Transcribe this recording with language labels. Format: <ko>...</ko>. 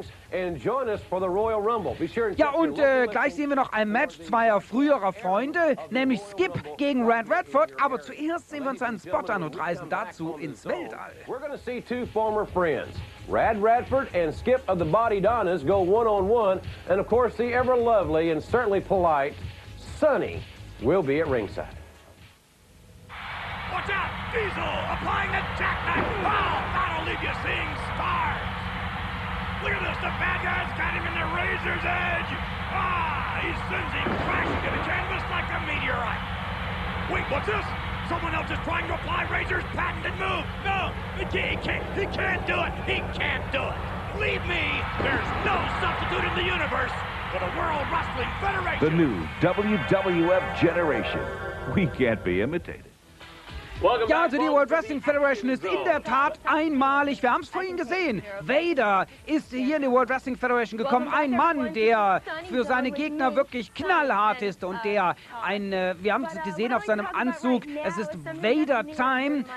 <de>Ja, und gleich sehen wir noch ein Match zweier früherer Freunde, nämlich Skip gegen Red Redford, aber zuerst sehen wir uns einen Spot an und reisen dazu ins Weltall.</de> <en>We're gonna see two former friends, Rad Radford and Skip of the Body Donnas, go one-on-one, and of course the ever lovely and certainly polite Sonny will be at ringside. Watch out, Diesel applying the jackknife. Wow, that'll leave you seeing stars. Look at this, the bad guy's got him in the razor's edge. Ah, he sends him crashing to the canvas like a meteorite. Wait, what's this? Someone else is trying to apply Razor's patented move. No, he can't do it. Believe me, there's no substitute in the universe for the World Wrestling Federation. The new WWF generation. We can't be imitated.</en> <de>Ja, also die World Wrestling Federation ist in der Tat einmalig. Wir haben es vorhin gesehen. Vader ist hier in die World Wrestling Federation gekommen. Ein Mann, der für seine Gegner wirklich knallhart ist und der wir haben es gesehen auf seinem Anzug, es ist Vader Time.</de>